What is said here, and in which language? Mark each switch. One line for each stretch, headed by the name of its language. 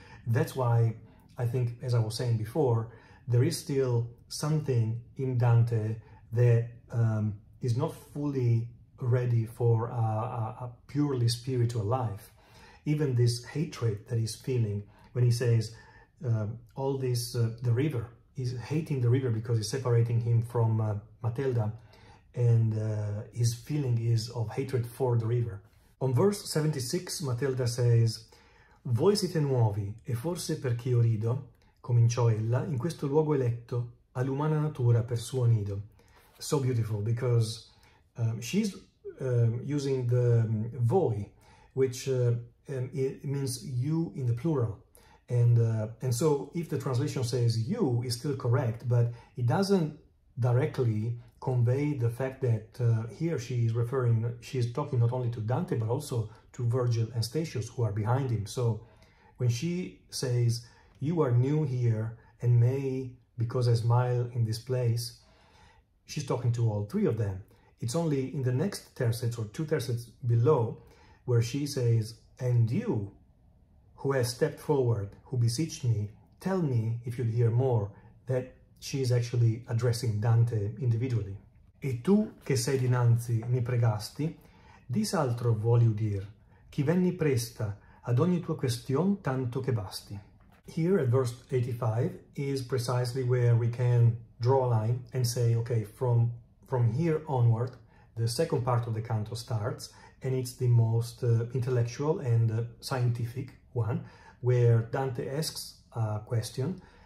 English: That's why I think, as I was saying before, there is still something in Dante that is not fully ready for a purely spiritual life. Even this hatred that he's feeling when he says all this, the river, he's hating the river because it's separating him from Matelda, and his feeling is of hatred for the river. On verse 76, Matelda says,
Italian: "Voi siete nuovi, e forse perché io rido, cominciò ella, in questo luogo eletto, all'umana natura per suo nido."
English: So beautiful, because she's using the voi, which it means you in the plural. And so if the translation says you, it's still correct, but it doesn't directly convey the fact that here she is referring, she's talking not only to Dante, but also to Virgil and Statius, who are behind him. So when she says, "You are new here, and may, because I smile in this place," she's talking to all three of them. It's only in the next tercets, or two tercets below, where she says, "And you, who has stepped forward, who beseech me, tell me, if you'd hear more," that she's actually addressing Dante individually.
Italian: "E tu, che sei dinanzi, mi pregasti, dis'altro vuoi udir, chi venni presta ad ogni tua question tanto che basti."
English: Here at verse 85 is precisely where we can draw a line and say, okay, from here onward, the second part of the canto starts, and it's the most intellectual and scientific one, where Dante asks a question.